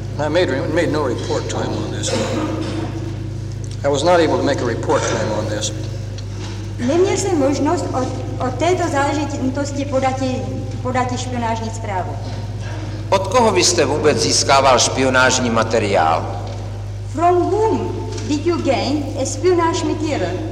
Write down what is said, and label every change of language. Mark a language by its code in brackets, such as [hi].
[en] I made no report to him on this. I was not able to make a report claim on this. [cs] Neměl jsem možnost o této záležitosti podat špionážní zprávu. Od koho byste vůbec získával špionážní materiál? [en] From whom did you gain a spionage material?